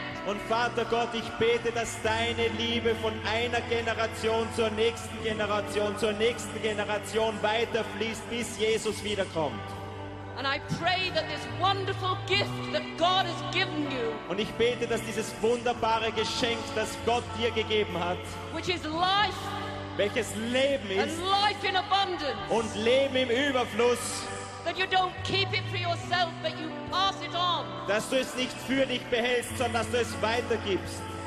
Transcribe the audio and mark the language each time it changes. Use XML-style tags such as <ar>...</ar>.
<de>Und Vater Gott, ich bete, dass deine Liebe von einer Generation zur nächsten Generation, weiterfließt, bis Jesus wiederkommt.</de> <en>And I pray that this wonderful gift that God has given you.</en> <de>Und ich bete, dass dieses wunderbare Geschenk, das Gott dir gegeben hat,</de> <en>which is life,</en> <de>welches Leben ist,</de> <en>and life in abundance,</en> <de>und Leben im Überfluss,</de> <en>that you don't keep it for yourself, but you pass it on.</en> <de>Dass du es nicht für dich behältst, sondern dass du es weitergibst.</de>